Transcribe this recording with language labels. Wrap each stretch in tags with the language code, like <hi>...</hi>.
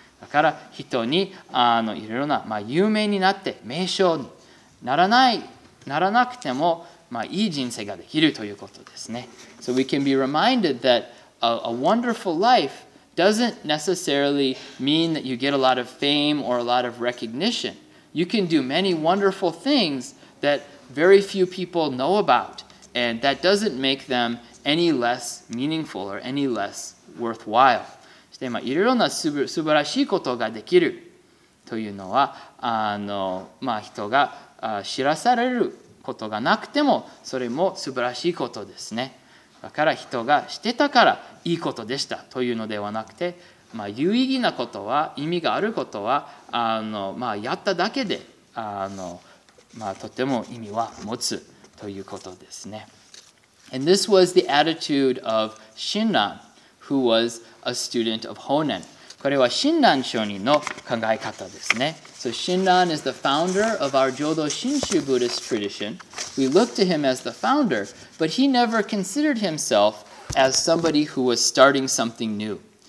<ja>だから人に、あの、いろいろな、まあ、有名になって名称にならない、ならなくても、まあ、いい人生ができるということですね。</ja> <en>So we can be reminded that a wonderful lifeDoesn't necessarily mean that you get a lot of fame or a lot of recognition. You can do many wonderful things that very few people know about, and that doesn't make them any less meaningful or any less worthwhile.</en> <ja>そして、まあ、いろいろな素晴らしいことができるというのは、あの、まあ、人が、あ、知らされることがなくても、それも素晴らしいことですね。だから人がしてたからいいことでしたというのではなくて、まあ、有意義なことは、意味があることは、あの、まあ、やっただけで、あの、まあ、とても意味は持つということですね。</ja> <en>And this was the attitude of Shinran, who was a student of Honen.</en> <ja>これは Shinran Shonin の考え方ですね。</ja> <en>So Shinran is the founder of our Jodo Shinshu Buddhist tradition. We look to him as the founder, but he never considered himself as somebody who was starting something new.</en>